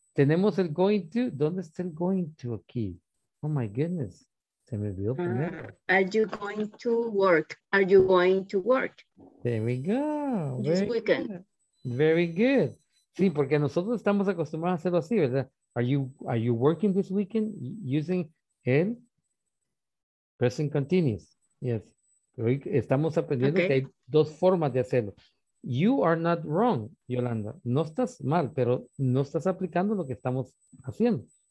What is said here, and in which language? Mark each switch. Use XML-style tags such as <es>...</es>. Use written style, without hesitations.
<es>Tenemos el going to. ¿Dónde está el going to aquí?</es> <en>Oh, my goodness.</en> <es>Se me olvidó poner.</es> <en>Are you going to work? Are you going to work? There we go. This weekend. Very good.</en> <es>Sí, porque nosotros estamos acostumbrados a hacerlo así, ¿verdad?</es> <en>Are you working this weekend using el present continuous? Yes.</en> <es>Hoy estamos aprendiendo okay. Que hay dos formas de hacerlo.</es> <en>You are not wrong, Yolanda.</en> <es>No estás mal, pero no estás aplicando lo que estamos haciendo.</es>